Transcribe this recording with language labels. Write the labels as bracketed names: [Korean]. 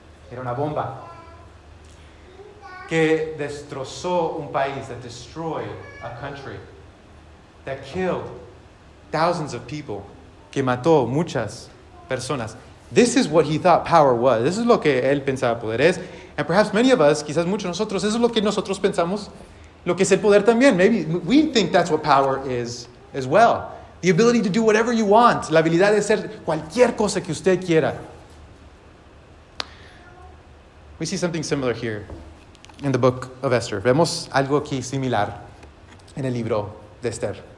[Spanish] Era una bomba que destrozó un país, [English] that destroyed a country, that killed thousands of people, [Spanish] que mató muchas personas. [English] This is what he thought power was. This is [Spanish] lo que él pensaba poder es. [English] And perhaps many of us, [Spanish] quizás muchos de nosotros, eso es lo que nosotros pensamos, lo que es el poder también. [English] Maybe we think that's what power is as well. The ability to do whatever you want. [Spanish] La habilidad de hacer cualquier cosa que usted quiera. [English] We see something similar here in the book of Esther. [Spanish] Vemos algo aquí similar en el libro de Esther.